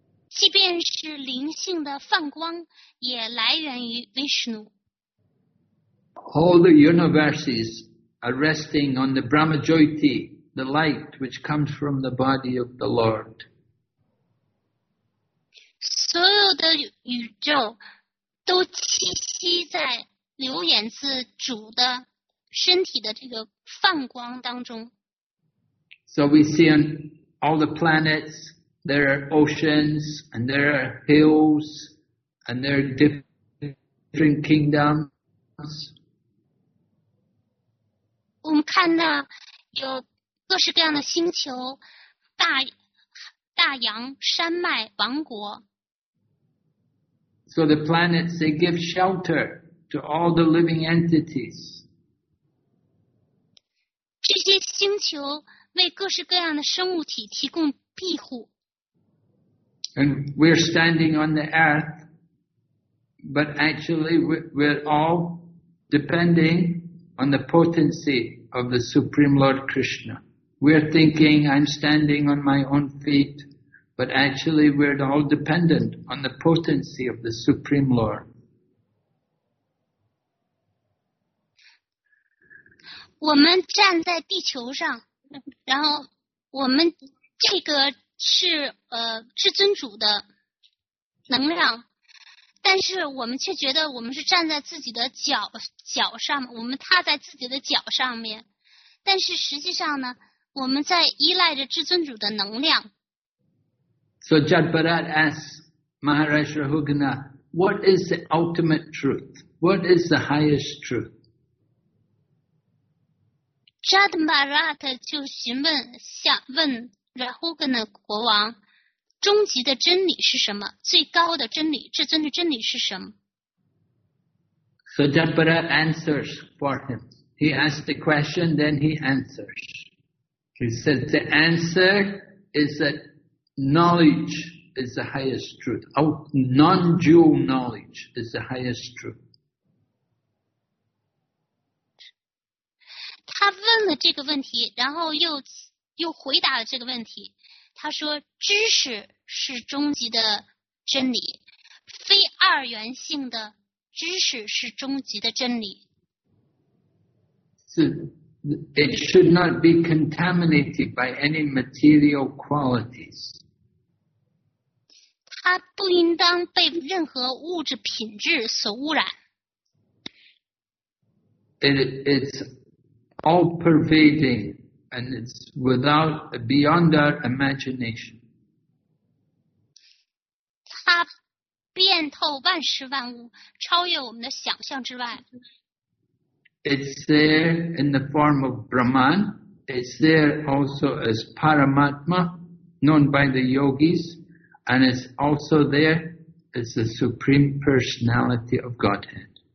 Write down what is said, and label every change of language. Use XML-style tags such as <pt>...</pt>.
<zh>即便是灵性的梵光也来源于 Vishnu.</zh> <en>All the universes are resting on the Brahmajyoti, the light which comes from the body of the Lord.</en> <zh>所有的宇宙都栖息在流眼自主的身体的这个放光当中。</zh> <en>So we see on all the planets, there are oceans, and there are hills, and there are different kingdoms.</en> <zh>我们看到有各式各样的星球，大洋、山脉、王国。</zh> <en>So the planets, they give shelter to all the living entities.</en> <zh>这些星球为各式各样的生物体提供庇护。</zh> <en>And we're standing on the earth, but actually we're all depending on the potency of the Supreme Lord Krishna. We're thinking, I'm standing on my own feet. But actually, we're all dependent on the potency of the Supreme Lord.</en> <zh>我们站在地球上，然后我们这个是至尊主的能量，但是我们却觉得我们是站在自己的脚上，我们踏在自己的脚上面，但是实际上呢，我们在依赖着至尊主的能量。</zh> <en>So Jad Bharat asks Maharaj Rahugana, what is the ultimate truth? What is the highest truth?</en> <zh>Jad Bharat 就询问下问 Rahugana 国王，终极的真理是什么？最高的真理，至尊的真理是什么？</zh> <en>So Jad Bharat answers for him. He asks the question, then he answers. He says the answer is thatKnowledge is the highest truth. Non-dual knowledge is the highest truth.</en> <zh>他问了这个问题，然后又回答了这个问题。他说，知识是终极的真理，非二元性的知识是终极的真理。</zh> <en>So, it should not be contaminated by any material qualities.</en> <zh>它不应当被任何物质品质所污染。</zh> <en>It's all pervading and it's without beyond our imagination.</en> <zh>它遍透万事万物，超越我们的想象之外。</zh> <en>It's there in the form of Brahman. It's there also as Paramatma, known by the yogis. And it's also there as the Supreme Personality of Godhead.</en>